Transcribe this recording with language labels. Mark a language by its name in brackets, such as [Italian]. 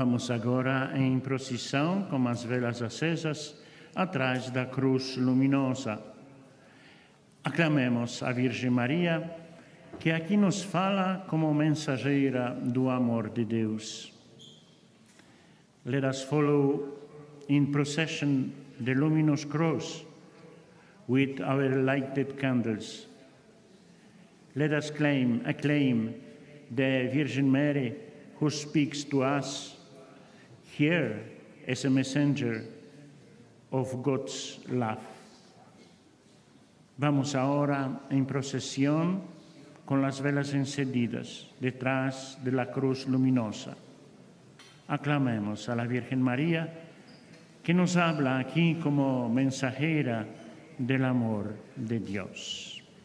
[Portuguese] Agora em procissão com as velas acesas atrás da cruz luminosa. Aclamemos a Virgem Maria, que aqui nos fala como mensageira do amor de Deus. [English] Let us follow in procession the luminous cross with our lighted candles. Let us acclaim the Virgin Mary who speaks to us here as a messenger of God's love. [Spanish] Vamos ahora en procesión con las velas encendidas detrás de la cruz luminosa. Aclamemos a la Virgen María que nos habla aquí como mensajera del amor de Dios.